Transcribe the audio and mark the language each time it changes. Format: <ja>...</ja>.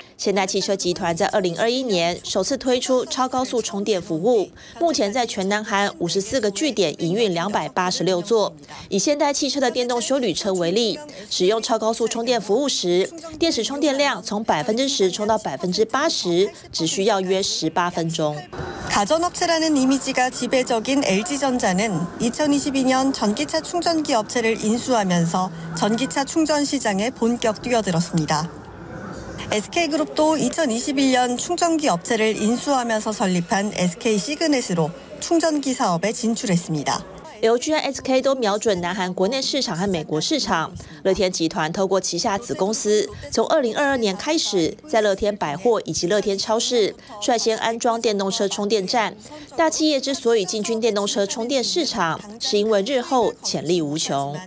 <zh>现代汽车集团在2021年首次推出超高速充电服务，目前在全南韩54个据点营运286座。以现代汽车的电动休旅车为例，使用超高速充电服务时，电池充电量从10%充到80%，只需要约18分钟。</zh> <ko>가전업체라는이미지가지배적인 LG 전자는2022년전기차충전기업체를인수하면서전기차충전시장에본격뛰어들었습니다SK그룹도 2021년 충전기 업체를 인수하면서 설립한 SK 시그넷으로 충전기 사업에 진출했습니다.</ko> <zh>LG 和 SK 都瞄准南韩国内市场和美国市场。乐天集团透过旗下子公司，从2022年开始，在乐天百货以及乐天超市率先安装电动车充电站。大企业之所以进军电动车充电市场，是因为日后潜力无穷。</zh>